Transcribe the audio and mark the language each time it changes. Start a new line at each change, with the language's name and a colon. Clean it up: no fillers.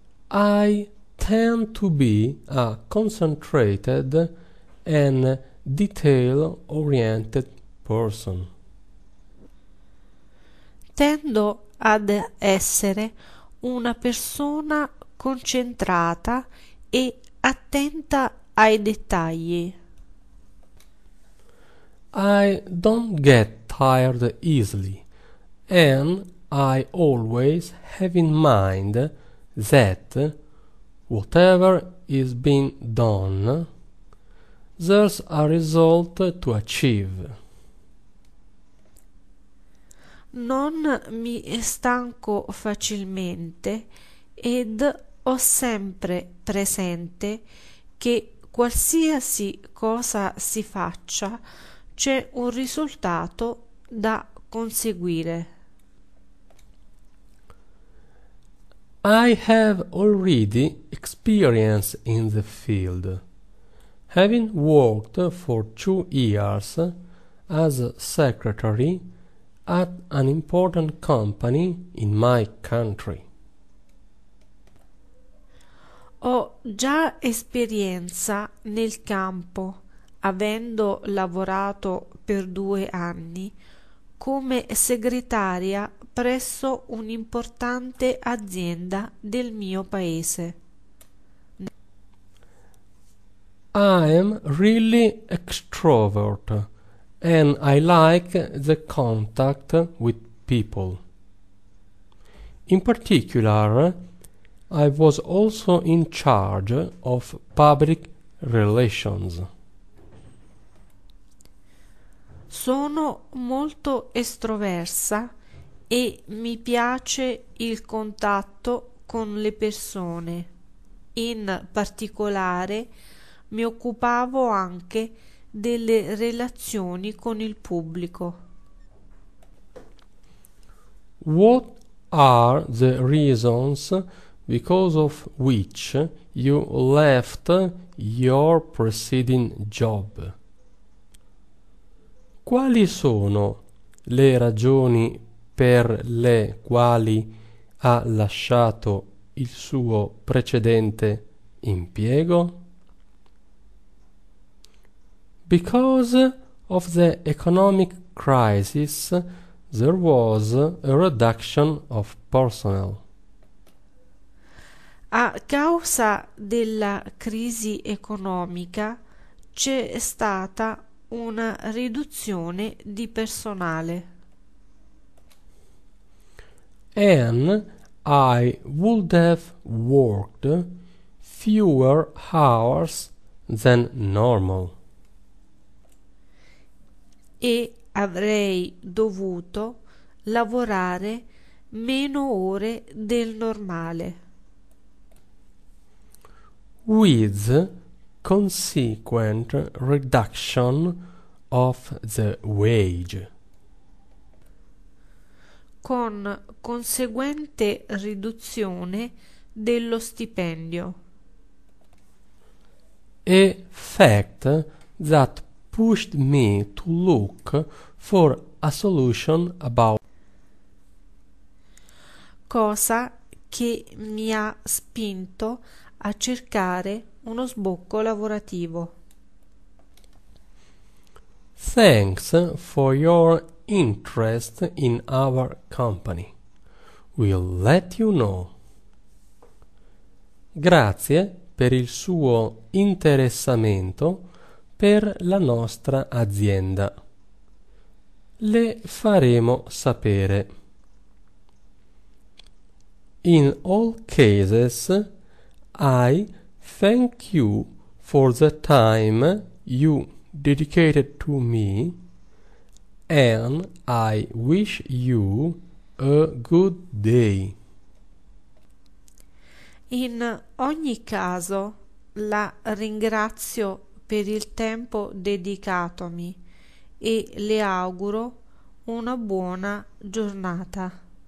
English: I tend to be a concentrated and detail-oriented person.
Italian: Tendo ad essere una persona concentrata e attenta ai dettagli.
English: I don't get tired easily, and I always have in mind that whatever is being done, there's a result to achieve.
Italian: Non mi stanco facilmente ed ho sempre presente che qualsiasi cosa si faccia c'è un risultato da conseguire.
English: I have already experience in the field, having worked for 2 years as secretary at an important company in my country.
Italian: Ho già esperienza nel campo, avendo lavorato per 2 anni come segretaria presso un'importante azienda del mio paese.
English: I am really extrovert and I like the contact with people. In particular, I was also in charge of public relations.
Italian: Sono molto estroversa e mi piace il contatto con le persone. In particolare, mi occupavo anche delle relazioni con il pubblico.
English: What are the reasons because of which you left your preceding job?
Italian: Quali sono le ragioni per le quali ha lasciato il suo precedente impiego?
English: Because of the economic crisis, there was a reduction of personnel.
Italian: A causa della crisi economica c'è stata una riduzione di personale.
English: And I would have worked fewer hours than normal.
Italian: E avrei dovuto lavorare meno ore del normale.
English: With consequent reduction of the wage.
Italian: Con conseguente riduzione dello stipendio.
English: A fact that pushed me to look for a solution about.
Italian: Cosa che mi ha spinto a cercare uno sbocco lavorativo.
English: Thanks for your interest in our company. We'll let you know.
Italian: Grazie per il suo interessamento per la nostra azienda. Le faremo sapere.
English: In all cases, I thank you for the time you dedicated to me, and I wish you a good day.
Italian: In ogni caso, la ringrazio per il tempo dedicatomi e le auguro una buona giornata.